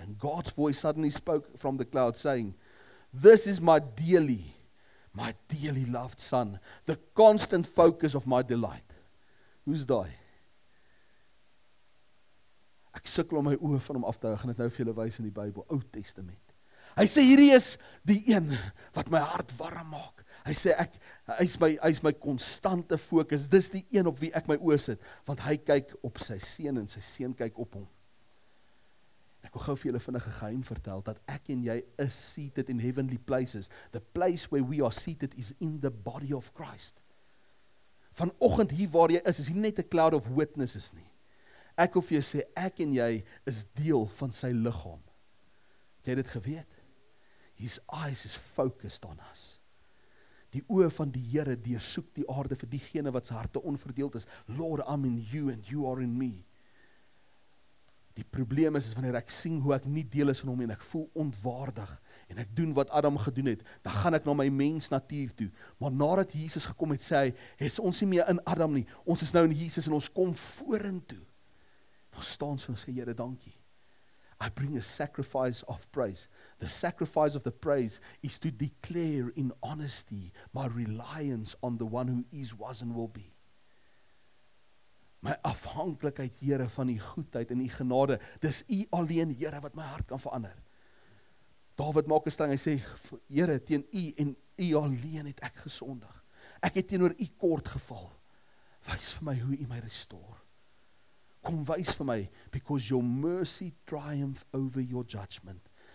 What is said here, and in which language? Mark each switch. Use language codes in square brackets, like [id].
[en] And God's voice suddenly spoke from the cloud, saying, this is my dearly loved son, the constant focus of my delight. Who's daai? [af] Ek sukkel om my oë van hom af te hou, gaan dit nou vir julle wys in die Bybel, Ou Testament. Hy sê, hierdie is die een wat my hart warm maak. Hy sê, hy is my constante fokus. Dis die een op wie ek my oë sit. Want hy kyk op sy seun en sy seun kyk op hom. Ek wil gou vir julle vinnige geheim vertel, dat ek en jy is [en] seated in heavenly places. The place where we are seated is in the body of Christ. [af] Vanoggend hier waar jy is, is hier net 'n [en] cloud of witnesses [af] nie. Ek wil vir jou sê, ek en jy is deel van sy liggaam. Het jy dit geweet? [en] His eyes is focused on us. [af] Die oë van die Here deursoek die aarde vir diegene wat se harte onverdeeld is. [en] Lord, I'm in you and you are in me. [af] Die probleem is wanneer ek sien hoe ek nie deel is van hom en ek voel ontwaardig en ek doen wat Adam gedoen het, dan gaan ek na my mens natuur toe. Maar nadat Jesus gekom het, sê hy, is ons nie meer in Adam nie. Ons is nou in Jesus en ons kom vorentoe. Dan staan ons en sê, Here, dankie. [en] I bring a sacrifice of praise. The sacrifice of the praise is to declare in honesty my reliance on the one who is, was and will be. [af] My afhanklikheid, Here, van die goedheid en die genade. Dis U alleen, Here, wat my hart kan verander. David maak 'n stelling, hy sê, Here, teen U en U alleen het ek gesondig. Ek het teenoor U kort geval. Wys vir my hoe U my restore. Kom wys vir my, [en] because your mercy triumph over your judgment.